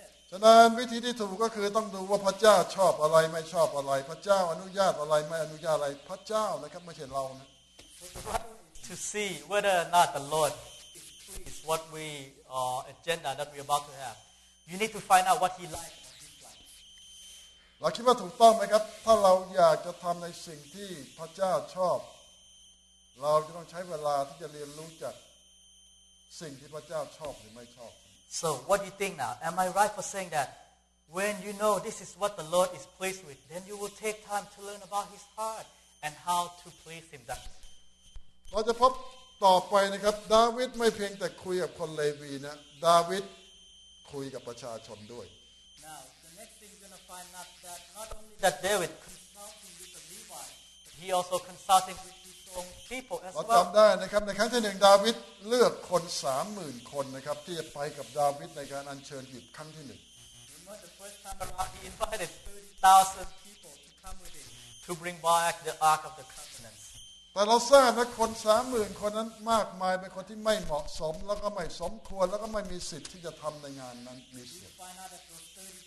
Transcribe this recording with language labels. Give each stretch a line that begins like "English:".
Thai: ฉะนั้นวิธีที่ถูกก็คือต้องดูว่าพระเจ้าชอบอะไรไม่ชอบอะไรพระเจ้าอนุญาตอะไรไม่อนุญาตอะไรพระเจ้านะครับไม่ใช่เรานะ
English: to see whether or not the Lord is what we agenda that we about to have you need to find out what he likes
Thai: เราคิดว่าถูกต้องไหมครับถ้าเราอยากจะทำในสิ่งที่พระเจ้าชอบเราจะต้องใช้เวลาที่จะเรียนรู้จักสิ่งที่พระเจ้าชอบหรือไม่ชอบ
English: So what do you think now? Am I right for saying that when you know this is what the Lord is pleased with, then you will take time to learn about His heart and how to please Him?
Thai: เราจะพบต่อไปนะครับดาวิดไม่เพียงแต่คุยกับคนเลวีนะดาวิดค คุยกับประชาชนด้วย
English: Now the next thing you're going to find out that not only that David consulting with the Levites but he also consulting with his own people as well
Thai: จําได้นะครับในครั้งที่1ดาวิดเลือกคน 30,000 คนนะครับที่จะไปกับดาวิดในการอัญเชิญหยิบครั้งที่1
English: The first time around, he invited 30,000 people to come with him to bring back the ark of the covenant
Thai: แต่เราทราบนะคน 30,000 คนนั้นมากมายเป็นคนที่ไม่เหมาะสมแล้วก็ไม่สมควรแล้วก็ไม่มีสิทธิ์ที่จะทำในงานนั้นมีสิทธ